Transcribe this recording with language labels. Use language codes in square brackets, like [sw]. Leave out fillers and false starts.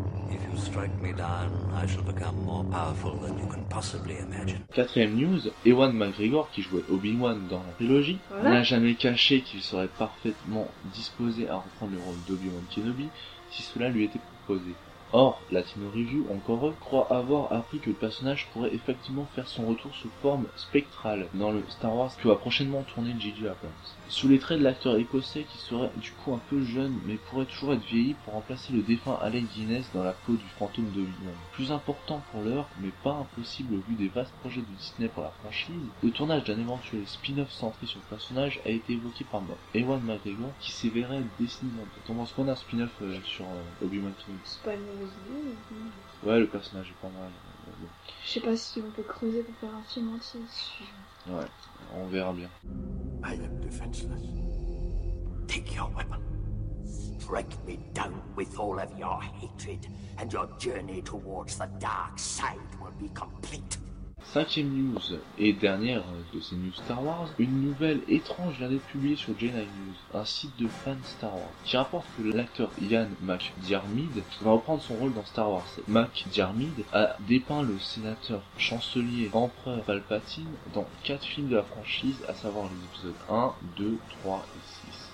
[en] If you strike me down, I shall become more powerful than you can possibly imagine. [fr] Quatrième news, Ewan McGregor, qui jouait Obi-Wan dans la trilogie, voilà, n'a jamais caché qu'il serait parfaitement disposé à reprendre le rôle d'Obi-Wan Kenobi si cela lui était proposé. Or, Latino Review, encore eux, croit avoir appris que le personnage pourrait effectivement faire son retour sous forme spectrale dans le Star Wars que va prochainement tourner J.J. Abrams. Sous les traits de l'acteur écossais qui serait du coup un peu jeune mais pourrait toujours être vieilli pour remplacer le défunt Alec Guinness dans la peau du fantôme de Obi-Wan. Plus important pour l'heure, mais pas impossible au vu des vastes projets de Disney pour la franchise, le tournage d'un éventuel spin-off centré sur le personnage a été évoqué par Ewan McGregor qui s'est verrait dessiner. On pense qu'on a un spin-off sur Obi-Wan Kenobi. Ouais, le personnage est pas mal. Je sais pas si on peut creuser pour faire un film entier dessus. Ouais, on verra bien. [en] I am defenseless. Take your weapon. Strike me down with all of your hatred, and your journey towards the dark side will be complete. [fr] Cinquième news, et dernière de ces news Star Wars, une nouvelle étrange vient d'être publiée sur Jedi News, un site de fans Star Wars, qui rapporte que l'acteur Ian McDiarmid va reprendre son rôle dans Star Wars. McDiarmid a dépeint le sénateur chancelier empereur Palpatine dans 4 films de la franchise, à savoir les épisodes 1, 2, 3 et 6.